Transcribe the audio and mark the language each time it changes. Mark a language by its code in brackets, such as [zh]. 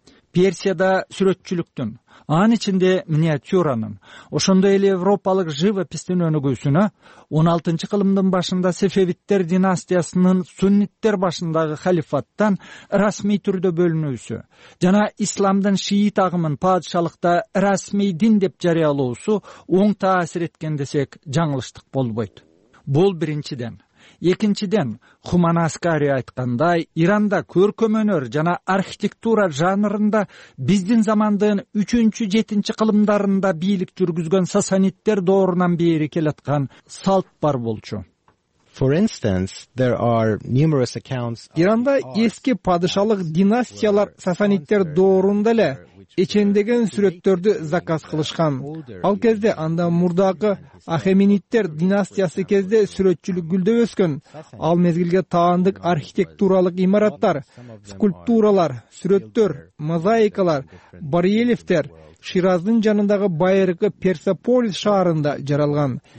[ky] Персияда сүрөтчүлүктүн, анын ичинде миниатюранын, ошондой эле европалык живописттин өнүгүүсүнө 16-чы кылымдын башында Сефевиттер династиясынын сунниттер башындагы халифаттан расмий түрдө бөлүнүүсү жана исламдын шиит агымын падышалыкта расмий дин деп жарыялоосу оң таасир эткен десек жаңылыштык болбойт. Бул биринчиден. Экинчиден, Хуман Аскари айткандай, Иранда көркөм өнөр жана архитектура жанрында биздин замандын 3-7 кылымдарында бийлик жүргүзгөн сасаниттер доорунан бери келаткан салт бар болчу. [en] For instance, there are numerous accounts. [ky] Иранда эски падышалык династиялар сасаниттер доорунда эле эчендеген сүрөттөрдү заказ кылышкан. Ал кезде анда мурдакы Ахеминиттер династиясы кезде сүрөтчүлүк гүлдөп өскөн. Ал мезгилге таандык архитектуралык имараттар, скульптуралар, сүрөттөр, мозаикалар, барельефтер Шираздын жанындагы байыркы Персеполис шаарында жаралган.